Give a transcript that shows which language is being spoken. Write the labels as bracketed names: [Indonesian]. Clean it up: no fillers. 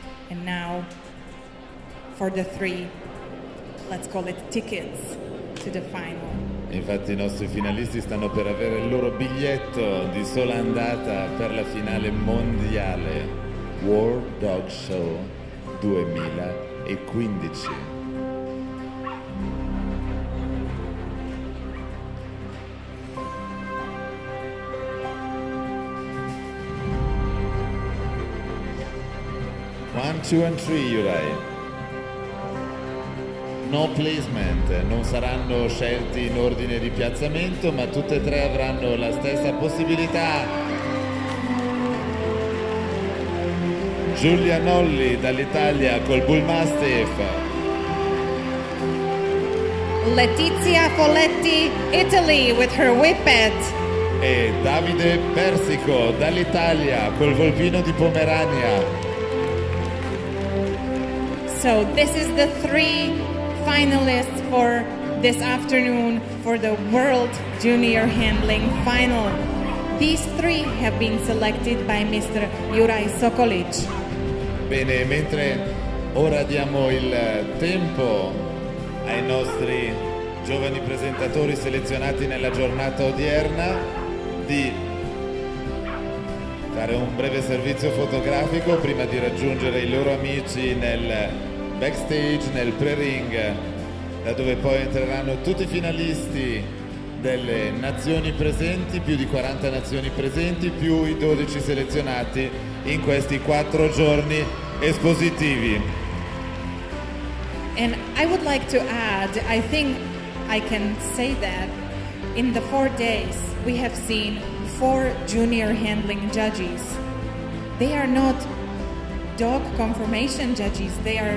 [English] And now for the 3, let's call it tickets to the final. [Italian] Infatti i nostri finalisti stanno per avere il loro biglietto di sola andata per la finale mondiale World Dog Show 2015. [English] One, two and three, Juraj. No placement, [Italian] non saranno scelti in ordine di piazzamento, ma tutte e tre avranno la stessa possibilità. Giulia Nolli dall'Italia col Bull Mastiff. [English] Letizia Folletti, Italy with her Whippet. [Italian] E Davide Persico dall'Italia col Volpino di Pomerania. [English] So this is the 3 finalists for this afternoon for the World Junior Handling Final. These 3 have been selected by Mr. Juraj Sokolic. [Italian] Bene, mentre ora diamo il tempo ai nostri giovani presentatori selezionati nella giornata odierna di fare un breve servizio fotografico prima di raggiungere i loro amici nel backstage, nel pre-ring, da dove poi entreranno tutti i finalisti delle nazioni presenti, più di 40 nazioni presenti, più i 12 selezionati in questi 4 giorni espositivi. [English] And I would like to add, I think I can say that in the 4 days we have seen 4 junior handling judges. They are not dog confirmation judges, they are